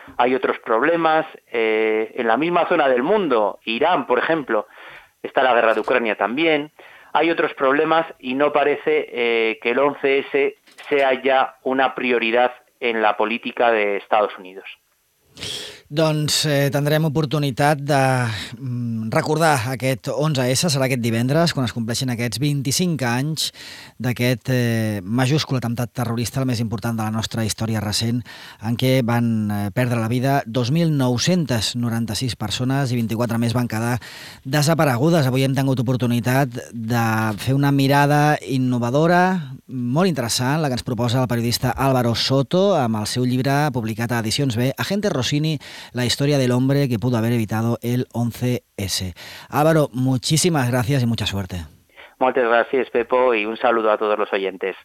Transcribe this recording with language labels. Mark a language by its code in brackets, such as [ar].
[es] Hay otros problemas en la misma zona del mundo, Irán, por ejemplo, está la guerra de Ucrania también, hay otros problemas y no parece que el 11S sea ya una prioridad en la política de Estados Unidos. [ca] Doncs tindrem oportunitat de recordar aquest 11S, serà aquest divendres, quan es compleixin aquests 25 anys d'aquest majúscul atemptat terrorista, el més important de la nostra història recent, en què van perdre la vida 2.996 persones i 24 més van quedar desaparegudes. Avui hem tingut oportunitat de fer una mirada innovadora, molt interessant, la que ens proposa el periodista Álvaro Soto, amb el seu llibre publicat a Edicions B, Agente Rossini, la historia del hombre que pudo haber evitado el 11S. [es] Álvaro, muchísimas gracias y mucha suerte. Muchas gracias, Pepo, y un saludo a todos los oyentes.